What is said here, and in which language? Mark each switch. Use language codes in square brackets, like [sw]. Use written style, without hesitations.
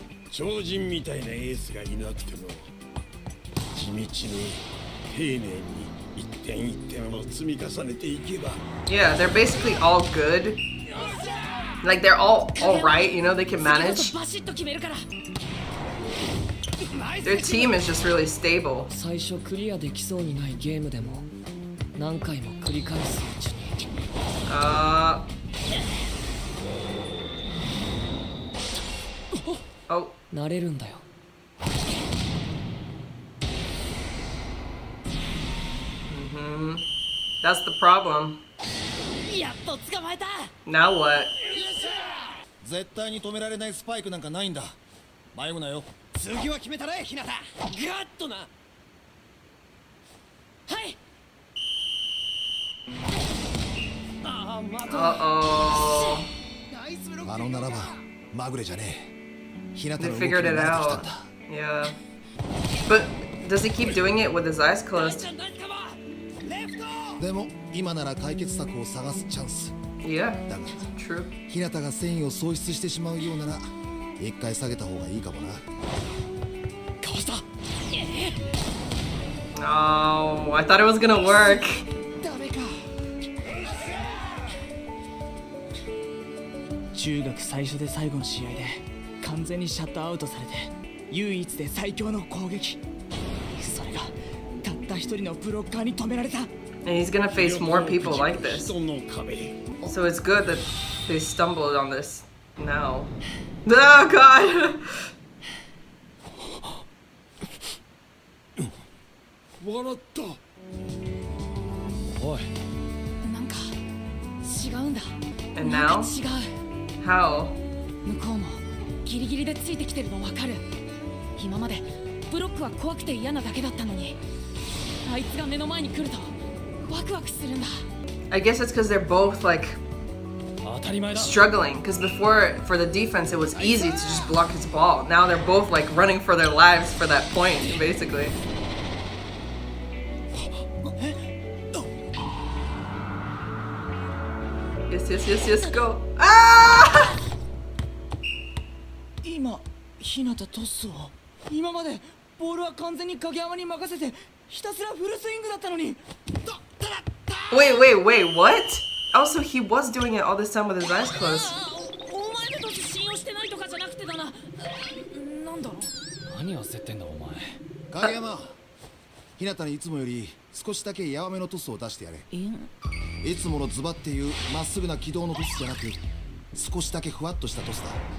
[ja] 超人みたいなエースがいなくても、地道に丁寧に一点一点を積み重ねていけば。 [en] Yeah, they're basically all good. Like they're all right, you know, they can manage. Their team is just really stable. [ja] 最初クリアできそうにないゲームでも、何回も繰り返すうちに。なれるんだよ。 [en] That's the problem. [ja] やっと捕まえた。 [en] Now what? [ja] 絶対に止められないスパイクなんかないんだ。迷うなよ。次は決めたれ、ひなた。ガッとな。はい。ああ、また。 [en] Uh-oh. [ja] ナイスブロック。あのならば、まぐれじゃねえ。 [en] They figured it out. Yeah. But does he keep doing it with his eyes closed? Yeah. True. [ja] Hinata が繊維を喪失してしまうようなら、一回下げた方がいいかもな。かわした。 [en] Oh, I thought it was gonna work. [ja] ダメか。中学最初で最後の試合で。完全にシャットアウトされて、唯一で最強の攻撃。それがたった一人のブロッカーに止められた。 [en] And he's gonna face more people like this. So it's good that they stumbled on this now. Oh god! Warata. [ja] Oi. なんか違うんだ。 [en] And now? How? [ja] 向こうも。ギリギリでついてきてるのわかる。今までブロックは怖くて嫌なだけだったのに、あいつが目の前に来るとワクワクするんだ。 [en] I guess it's because they're both like struggling. Because before, for the defense, it was easy to just block his ball. Now they're both like running for their lives for that point, basically. Yes, yes, yes, yes, go. Ah! [ja] ヒナタトスを今までボールは完全に影山に任せてひたすらフルスイングだったのに。 [en] Wait, wait, wait, what? Also, he was doing it all this time with his eyes closed. [ja] お前たち信用してないとかじゃなくてだな。なんだ。何を焦ってんだお前。影山、ヒナタにいつもより少しだけやわめのトスを出してやれ。いつものズバっていうまっすぐな軌道のトスじゃなく、少しだけふわっとしたトスだ。